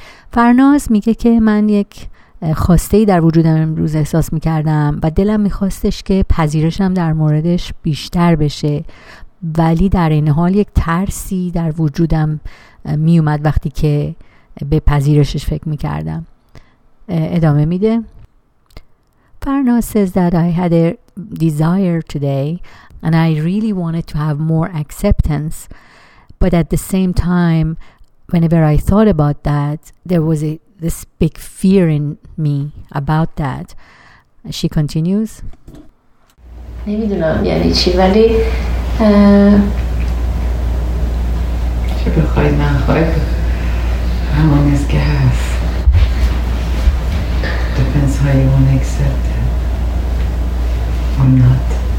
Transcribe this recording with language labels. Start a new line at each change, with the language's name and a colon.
Persian: فرناز میگه که من یک خواسته‌ای در وجودم امروز احساس می‌کردم و دلم می‌خواستش که پذیرشم در موردش بیشتر بشه، ولی در این حال یک ترسی در وجودم میومد وقتی که به پذیرشش فکر می‌کردم. ادامه میده.
English: Farnaz says that I had a desire today and I really wanted to have more acceptance, but at the same time whenever I thought about that there was this big fear in me about that. She continues.
Persian: نمیدونم یعنی چی ولی چه بخوای نخوای همون از که هست.
English: Depends how you want to accept it. Or not.